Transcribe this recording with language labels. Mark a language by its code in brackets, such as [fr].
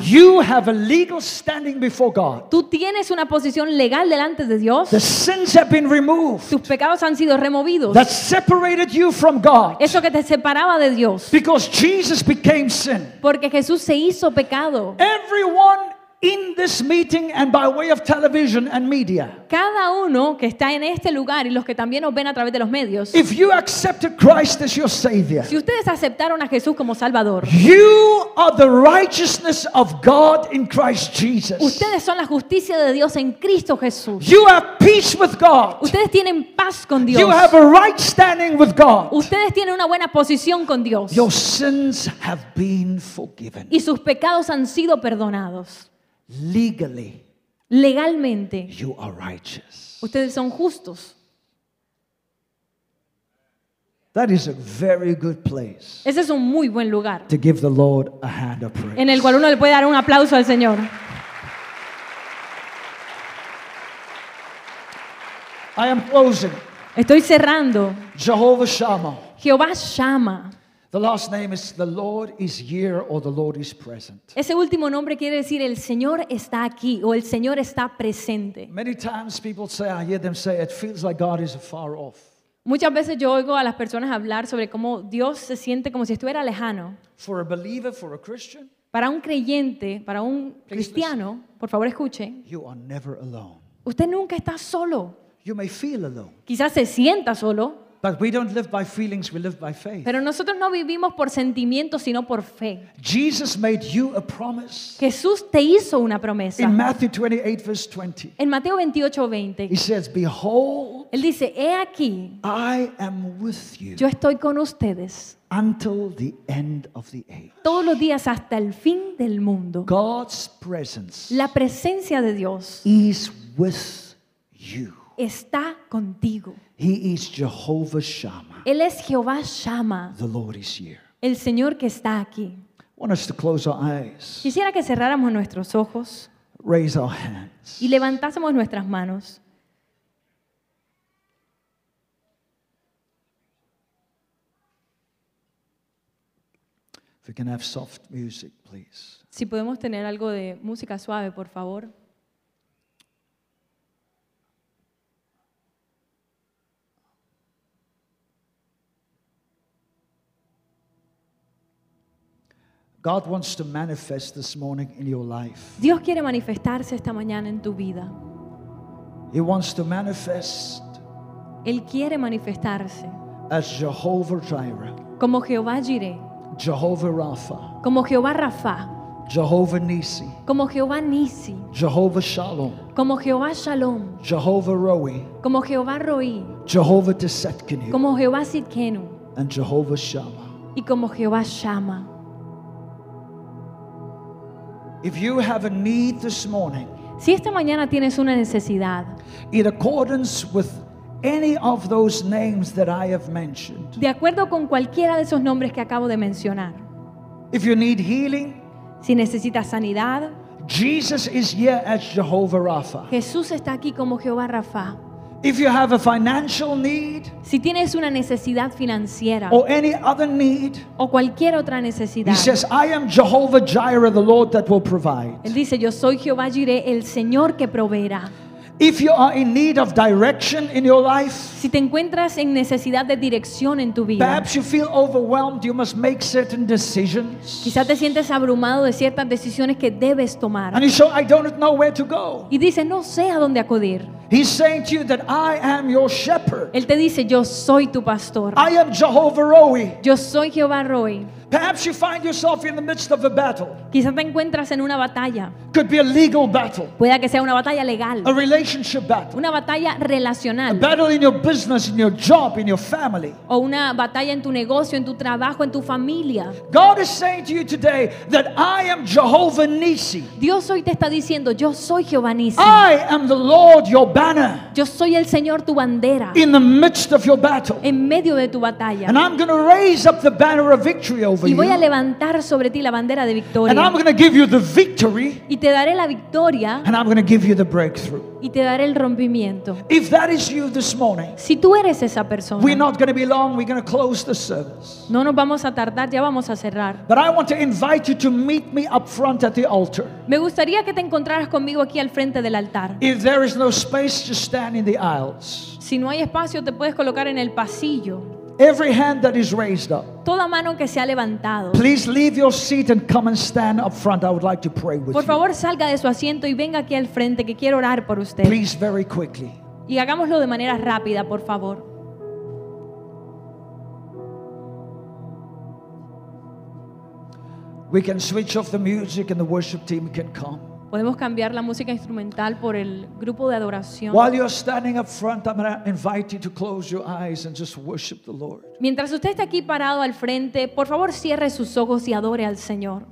[en] You have a legal standing before God. [es] Tú tienes una posición legal delante de Dios. [en] The sins have been removed. [es] Tus pecados han sido removidos. [en] That separated you from God. [es] Eso que te separaba de Dios. [en] Because Jesus became sin. [es] Porque Jesús se hizo pecado. [en] Everyone in this meeting and by way of television and media. [es] Cada uno que está en este lugar y los que también nos ven a través de los medios. [en] If you accepted Christ as your savior. [es] Si ustedes aceptaron a Jesús como Salvador. [en] You are the righteousness of God in Christ Jesus. [es] Ustedes son la justicia de Dios en Cristo Jesús. [en] You have peace with God. [es] Ustedes tienen paz con Dios. [en] You have a right standing with God. [es] Ustedes tienen una buena posición con Dios. [en] Your sins have been forgiven. [es] Y sus pecados han sido perdonados. [en] Legally, [es] legalmente, [en] you are righteous. [es] Ustedes son justos. [en] That is a very good place. [es] Ese es un muy buen lugar. [en] To give the Lord a hand of praise. [es] En el cual uno le puede dar un aplauso al Señor. [en] I am closing. [es] Estoy cerrando. [en] Jehovah Shammah. [es] Jehová Shammah. [en] The last name is the Lord is here or the Lord is present. [es] Ese último nombre quiere decir el Señor está aquí o el Señor está presente. [en] Many times people say, I hear them say, it feels like God is afar off. [es] Muchas veces yo oigo a las personas hablar sobre cómo Dios se siente como si estuviera lejano. [en] For a believer, for a Christian. [es] Para un creyente, para un cristiano, por favor escuche. [en] You are never alone. [es] Usted nunca está solo. [en] You may feel alone. [es] Quizás se sienta solo. [en] But we don't live by feelings, we live by faith. [es] Pero nosotros no vivimos por sentimientos, sino por fe. [en] Jesus made you a promise. [es] Jesús te hizo una promesa. [en] In Matthew 28, verse 20. [es] En Mateo 28, 20. [en] He says, behold. [es] Él dice, he aquí. [en] I am with you. [es] Yo estoy con ustedes. [en] Until the end of the age. [es] Todos los días hasta el fin del mundo. [en] God's presence. [es] La presencia de Dios. [en] Is with you. [es] Está contigo. [en] He is Jehovah Shammah. [es] Él es Jehová Shammah. [en] The Lord is here. [es] El Señor que está aquí. [en] Want us to close our eyes. [es] Quisiera que cerráramos nuestros ojos. [en] Raise our hands. [es] Y levantásemos nuestras manos. [en] If we can have soft music, please. [es] Si podemos tener algo de música suave, por favor. [en] God wants to manifest this morning in your life. [es] Dios quiere manifestarse esta mañana en tu vida. [en] He wants to manifest. [es] Él quiere manifestarse. [en] As Jehovah Jireh. [es] Como Jehová Jireh. [en] Jehovah Rapha. [es] Como Jehová Rapha. [en] Jehovah Nissi. [es] Como Jehová Nissi. [en] Jehovah Shalom. [es] Como Jehová Shalom. [en] Jehovah Roi. [es] Como Jehová Roi. [en] Jehovah Tzidkenu. [es] Como Jehová Tzidkenu. [en] And Jehovah Shammah. [es] Y como Jehová Shammah. [en] If you have a need this morning, [es] si esta mañana tienes una necesidad, [en] in accordance with any of those names that I have mentioned, [es] de acuerdo con cualquiera de esos nombres que acabo de mencionar, [en] if you need healing, [es] si necesitas sanidad, [en] Jesus is here as Jehovah Rapha. [es] Jesús está aquí como Jehová Rapha. [en] If you have a financial need, [es] si tienes una necesidad financiera, [en] or any other need, [es] o cualquier otra necesidad, [en] he says, "I am Jehovah Jireh, the Lord that will provide." [es] Él dice, "Yo soy Jehová Jireh, el Señor que proveerá." [en] If you are in need of direction in your life, [es] si te encuentras en necesidad de dirección en tu vida, [en] perhaps you feel overwhelmed, you must make certain decisions. [es] Quizás te sientes abrumado de ciertas decisiones que debes tomar. [en] And you say, "I don't know where to go." [es] Y dice, "No sé a dónde acudir." [en] He's saying to you that I am your shepherd. [es] Él te dice, "Yo soy tu pastor." [en] I am Jehovah Roi. [es] Yo soy Jehová Roi. [en] Perhaps you find yourself in the midst of a battle. [es] Quizás te encuentras en una batalla. [en] Could be a legal battle. [es] Puede que sea una batalla legal. [en] A relationship battle. [es] Una batalla relacional. [en] A battle in your business, in your job, in your family. [es] O una batalla en tu negocio, en tu trabajo, en tu familia. [en] God is saying to you today that I am Jehovah Nissi. [es] Dios hoy te está diciendo, yo soy Jehová Nissi. [en] I am the Lord your banner. [es] Yo soy el Señor tu bandera. [en] In the midst of your battle. [es] En medio de tu batalla. [en] And I'm going to raise up the banner of victory. [es] Y voy a levantar sobre ti la bandera de victoria. [en] And I'm going to give you the victory. [es] Y te daré la victoria. [en] And I'm going to give you the breakthrough. [es] Y te daré el rompimiento. [en] If that is you this morning, [es] si tú eres esa persona, [en] we're not going to be long, we're going to close the service. [es] No nos vamos a tardar, ya vamos a cerrar. [en] But I want to invite you to meet me up front at the altar. [es] Me gustaría que te encontraras conmigo aquí al frente del altar. [en] If there is no space, just stand in the aisles. [es] Si no hay espacio, te puedes colocar en el pasillo. [en] Every hand that is raised up. [es] Toda mano que se ha levantado. [en] Please leave your seat and come and stand up front. I would like to pray with you. [es] Por favor, salga de su asiento y venga aquí al frente que quiero orar por usted. [en] Please very quickly. [es] Y hagámoslo de manera rápida, por favor. [en] We can switch off the music and the worship team can come. [es] Podemos cambiar la música instrumental por el grupo de adoración. [en] While you're standing up front, I'm going to invite you to close your eyes and just worship the Lord. [es] Mientras usted está aquí parado al frente, por favor cierre sus ojos y adore al Señor.